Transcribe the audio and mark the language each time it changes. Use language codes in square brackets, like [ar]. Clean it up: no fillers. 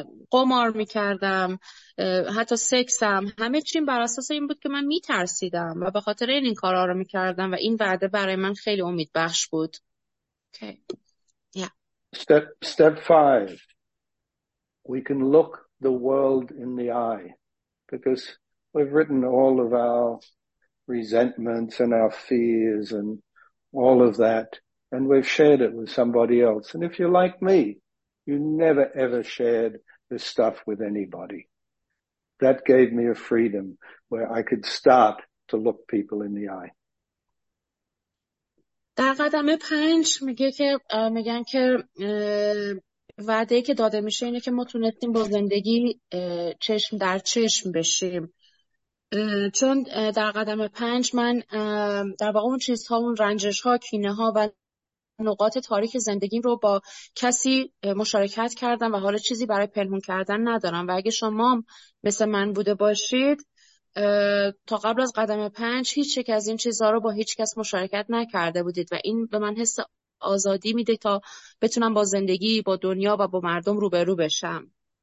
[fa] قمار میکردم، حتی سکسم، همه چیم بر اساس این بود که من میترسیدم و به خاطر این کارا رو میکردم و این وعده برای من خیلی امید بخش بود. Okay. Yeah. [en] Step 5. We can look the world in the eye because we've written all of our resentments and our fears and all of that, and we've shared it with somebody else. And if you're like me, you never ever shared this stuff with anybody. That gave me a freedom where I could start to look people in the eye. [fa] در قدم پنج میگه که میگن که وعده که داده میشه اینه که ما تونستیم با زندگی چشم در چشم بشیم. چون در قدم پنج من در واقع اون چیزها، اون رنجش ها، کینه ها و نقاط تاریک زندگیم رو با کسی مشارکت کردم و حالا چیزی برای پنهون کردن ندارم. و اگه شما مثل من بوده باشید، تا قبل از قدم پنج هیچ یک از این چیزها رو با هیچ کس مشارکت نکرده بودید و این به من حس آزادی میده تا بتونم با زندگی، با دنیا و با مردم روبرو بشم.